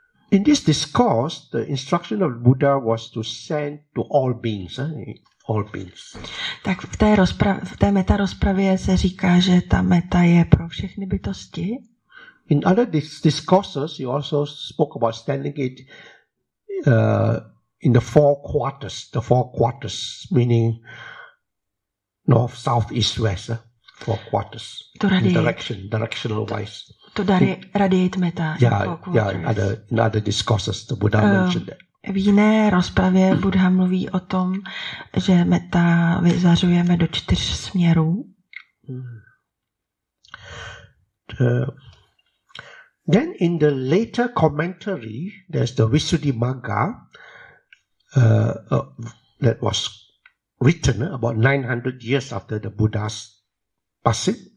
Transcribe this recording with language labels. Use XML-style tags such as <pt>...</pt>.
<en>In this discourse, the instruction of Buddha was to send to all beings, all beings.</en> <cs>Tak v té meta rozpravě se říká, že ta meta je pro všechny bytosti.</cs> <en>In other discourses, you also spoke about sending it in the four quarters, meaning north, south, east, west, four quarters. To radi. Directional wise. To dary radiate metta. In other discourses, the Buddha mentioned that.</en> <cs>V jiné rozpravě Buddha mluví o tom, že metta vyzařujeme do čtyř směrů.</cs> <en>Then in the later commentary, there's the Visuddhimagga that was written about 900 years after the Buddha's passing.</en>